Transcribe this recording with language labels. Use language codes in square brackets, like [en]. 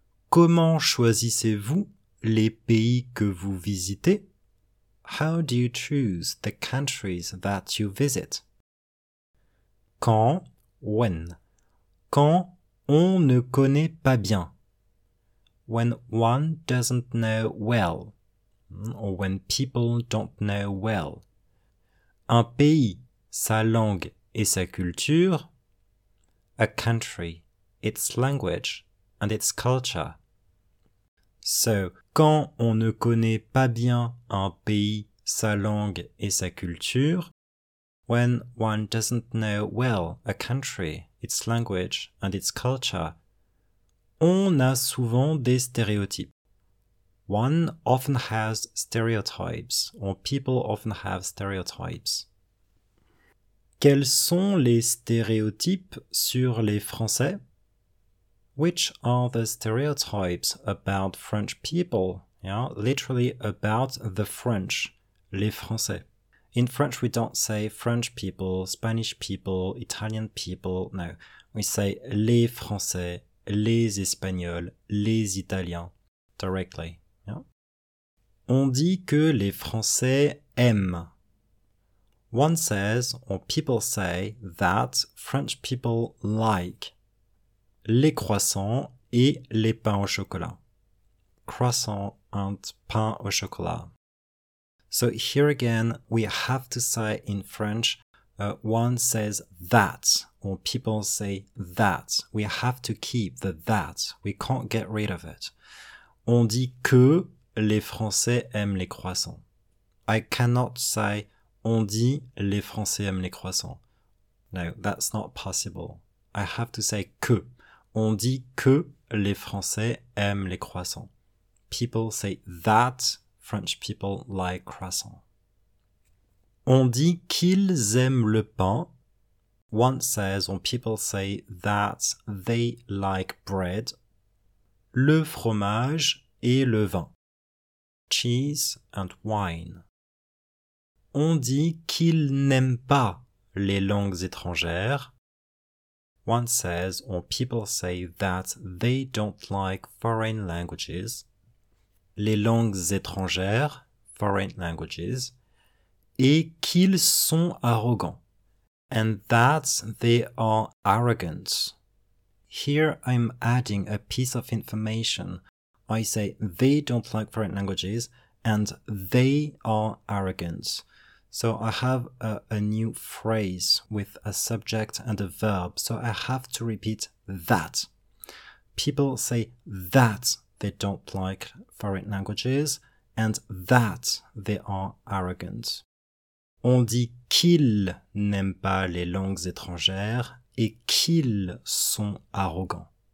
[fr] Comment choisissez-vous les pays que vous visitez? [en] How do you choose the countries that you visit? [fr] Quand, [en] when, [fr] quand on ne connaît pas bien. [en] When one doesn't know well, or when people don't know well. [fr] Un pays, sa langue et sa culture. [en] A country, its language and its culture. [fr] So, quand on ne connaît pas bien un pays, sa langue et sa culture. [en] When one doesn't know well a country, its language and its culture. [fr] On a souvent des stéréotypes. [en] One often has stereotypes, or people often have stereotypes. [fr] Quels sont les stéréotypes sur les Français? [en] Which are the stereotypes about French people? Yeah, literally about the French, les Français. In French, we don't say French people, Spanish people, Italian people. No, we say [fr] les Français, les Espagnols, les Italiens, [en] directly. Yeah. [fr] On dit que les Français aiment. [en] One says, or people say, that French people like [fr] les croissants et les pains au chocolat. [en] Croissant and pain au chocolat. So here again, we have to say in French, one says that, or people say that. We have to keep the that. We can't get rid of it. [fr] On dit que les Français aiment les croissants. [en] I cannot say [fr] on dit les Français aiment les croissants. [en] No, that's not possible. I have to say que. [fr] On dit que les Français aiment les croissants. [en] People say that French people like croissants. [fr] On dit qu'ils aiment le pain. [en] One says, or people say, that they like bread. [fr] Le fromage et le vin. [en] Cheese and wine. [fr] On dit qu'ils n'aiment pas les langues étrangères. [en] One says, or people say, that they don't like foreign languages. [fr] Les langues étrangères, [en] foreign languages, [fr] et qu'ils sont arrogants. [en] And that they are arrogant. Here I'm adding a piece of information. I say they don't like foreign languages and they are arrogant. So I have a new phrase with a subject and a verb. So I have to repeat that. People say that they don't like foreign languages and that they are arrogant. [fr] On dit qu'ils n'aiment pas les langues étrangères et qu'ils sont arrogants.